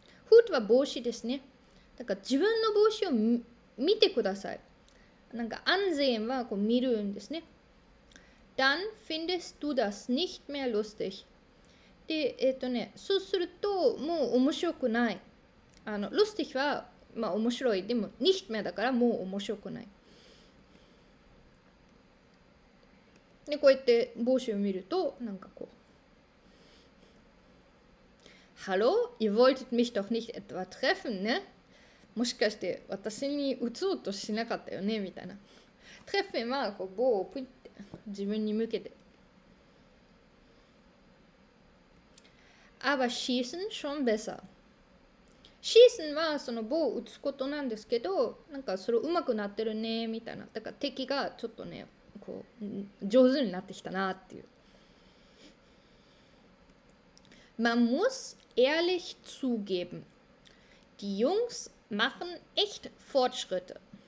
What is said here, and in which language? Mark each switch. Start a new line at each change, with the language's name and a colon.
Japanese: Hut は帽子ですね。なんか自分の帽子を見てください。なんか ansehen はこう見るんですね。
German: Dann findest du das nicht mehr lustig.
Japanese: で、そうするともう面白くない。 lustig は、まあ、面白い。でも
German: nicht mehr
Japanese: だからもう面白くない。で、こうやって帽子を見ると、なんかこう。
German: Hallo? Ihr wolltet mich doch nicht etwa treffen, ne?
Japanese: もしかして私に打つとしなかったよねみたいな。 Treffen はこう棒をプイッて自分に向けて。
German: Aber schießen schon besser.
Japanese: Schießen はその棒を打つことなんですけど、なんかそれ上手くなってるねみたいな。だから敵がちょっとね、こう上手になってきたなっていう。
German: Man muss ehrlich zugeben, die Jungs machen echt Fortschritte.